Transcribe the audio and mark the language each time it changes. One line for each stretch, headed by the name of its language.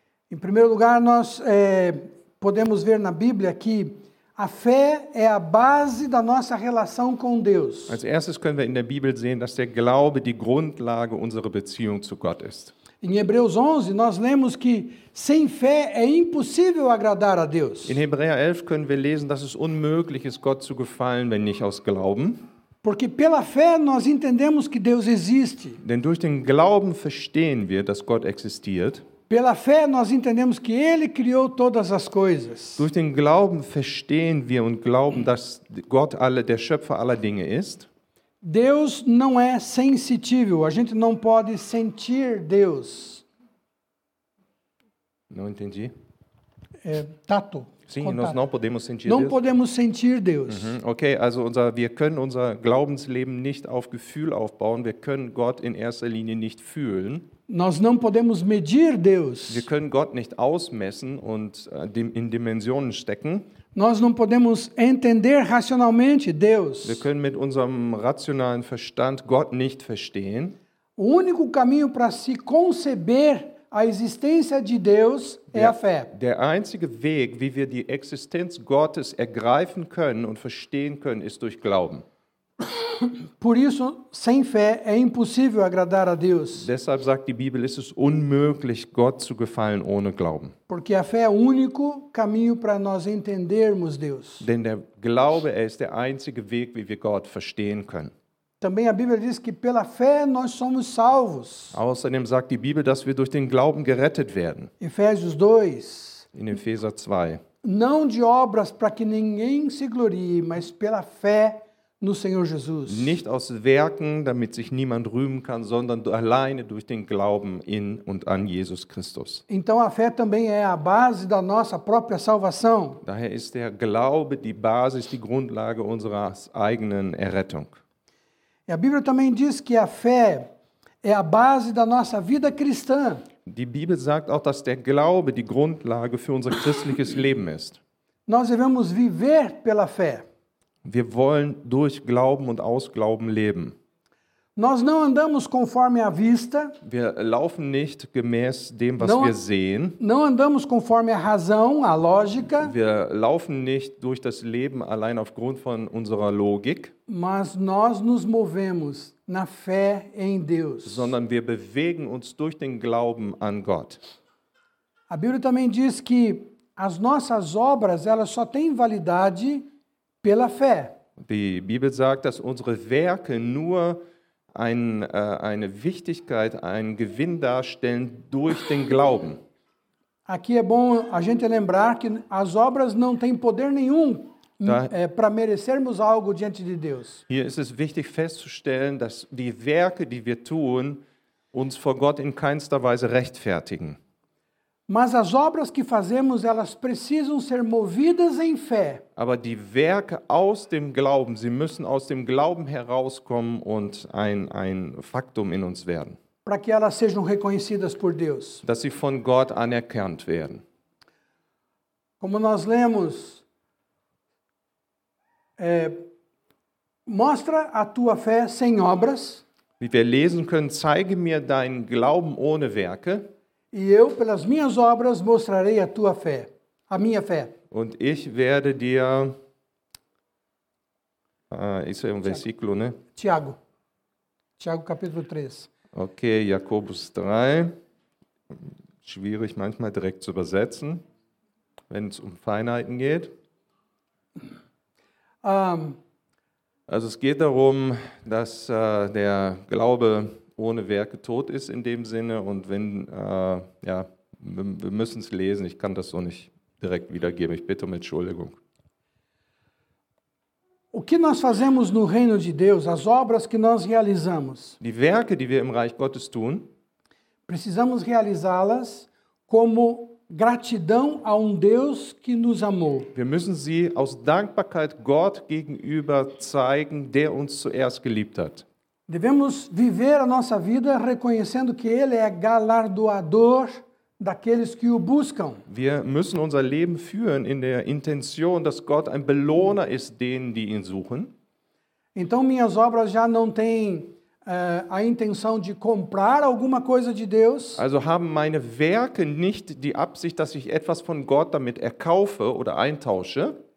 Portuguese: Em primeiro lugar, nós podemos ver na Bíblia que a fé é a base da nossa relação com Deus.
German: Als erstes können wir in der Bibel sehen, dass der Glaube die Grundlage unserer Beziehung zu Gott ist.
Portuguese: Em Hebreus 11 nós lemos que sem fé é impossível agradar a Deus.
German: In Hebräer 11 können wir lesen, dass es unmöglich ist, Gott zu gefallen, wenn nicht aus Glauben.
Portuguese: Porque pela fé nós entendemos que Deus existe.
German: Denn durch den Glauben verstehen wir, dass Gott existiert.
Portuguese: Pela fé nós entendemos que ele criou todas as coisas.
German: Durch den Glauben verstehen wir und glauben, dass Gott alle der Schöpfer aller Dinge ist.
Portuguese: Deus não é sensitivo, a gente não pode sentir Deus. Não entendi. Tato. Sim, contato. Nós não podemos sentir não Deus. Não podemos sentir Deus. Uh-huh.
German: Okay, also wir können unser Glaubensleben nicht auf Gefühl aufbauen, wir können Gott in erster Linie nicht fühlen.
Portuguese: Nós não podemos medir Deus.
German: Wir können Gott nicht ausmessen und in Dimensionen stecken.
Portuguese: Nós não podemos entender racionalmente Deus.
German: Wir können mit unserem rationalen Verstand Gott nicht verstehen.
Portuguese: O único caminho para se conceber a existência de Deus é a fé.
German: Der einzige Weg, wie wir die Existenz Gottes ergreifen können und verstehen können, ist durch Glauben.
Portuguese: Por isso, sem fé é impossível agradar a Deus.
German: Deshalb sagt die Bibel, ist es unmöglich, Gott zu gefallen ohne Glauben.
Portuguese: Porque a fé é o único caminho para nós entendermos Deus.
German: Denn der Glaube, ist der einzige Weg, wie wir Gott verstehen können.
Portuguese: Também a Bíblia diz que pela fé nós somos salvos.
German: Außerdem sagt die Bibel, dass wir durch den Glauben gerettet werden.
Portuguese: Efésios 2.
German: In Epheser 2.
Portuguese: Não de obras para que ninguém se glorie, mas pela fé no Senhor Jesus.
German: Nicht aus Werken, damit sich niemand rühmen kann, sondern alleine durch den Glauben in und an Jesus Christus.
Portuguese: Então a fé também é a base da nossa própria salvação.
German: Daher ist der Glaube die Basis, die Grundlage unserer eigenen Errettung.
Portuguese: E a Bíblia também diz que a fé é a base da nossa vida cristã.
German: Die Bibel sagt auch, dass der Glaube die Grundlage für unser christliches Leben ist.
Portuguese: Nós devemos viver pela fé.
German: Wir wollen durch Glauben und aus Glauben leben.
Portuguese: Nós não andamos conforme a vista.
German: Wir laufen nicht gemäß dem, was wir sehen.
Portuguese: Não andamos conforme a razão, a lógica.
German: Wir laufen nicht durch das Leben allein aufgrund von unserer Logik.
Portuguese: Mas nós nos movemos na fé em Deus.
German: Sondern wir bewegen uns durch den Glauben an Gott.
Portuguese: A Bíblia também diz que as nossas obras, elas só têm validade pela fé.
German: Die Bibel sagt, dass unsere Werke nur eine Wichtigkeit, einen Gewinn darstellen durch den Glauben.
Portuguese: Aqui é bom a gente lembrar que as obras não têm poder nenhum para merecermos algo diante de Deus.
German: Hier ist es wichtig festzustellen, dass die Werke, die wir tun, uns vor Gott in keinster Weise rechtfertigen.
Portuguese: Mas as obras que fazemos, elas precisam ser movidas em fé.
German: Aber die Werke aus dem Glauben, sie müssen aus dem Glauben herauskommen und ein Faktum in uns werden.
Portuguese: Para que elas sejam reconhecidas por Deus.
German: Dass sie von Gott anerkannt werden.
Portuguese: Como nós lemos, mostra a tua fé sem obras.
German: Wie wir lesen können, zeige mir deinen Glauben ohne Werke.
Portuguese: E eu pelas minhas obras mostrarei a tua fé, a minha fé.
German: Und ich werde dir
Portuguese: isso é versículo, né? Tiago capítulo 3.
German: Okay, Jakobus 3. Schwierig manchmal direkt zu übersetzen, wenn es Feinheiten geht. Also es geht darum, dass der Glaube ohne Werke tot ist in dem Sinne und wenn Wir müssen es lesen, ich kann das so nicht direkt wiedergeben. Ich bitte um Entschuldigung.
Portuguese: O que nós fazemos no reino de Deus, as obras que nós realizamos?
German: Die Werke, die wir im Reich Gottes tun,
Portuguese: precisamos realizá-las como gratidão a Deus que nos amou.
German: Wir müssen sie aus Dankbarkeit Gott gegenüber zeigen, der uns zuerst geliebt hat.
Portuguese: Devemos viver a nossa vida reconhecendo que Ele é galardoador daqueles que o buscam.
German: Wir müssen unser Leben führen in der Intention, dass Gott ein Belohner ist denen, die ihn suchen.
Portuguese: Então minhas obras já não têm a intenção de comprar alguma coisa de Deus.
German: Also haben meine Werke nicht die Absicht, dass ich etwas von Gott damit erkaufe oder eintausche.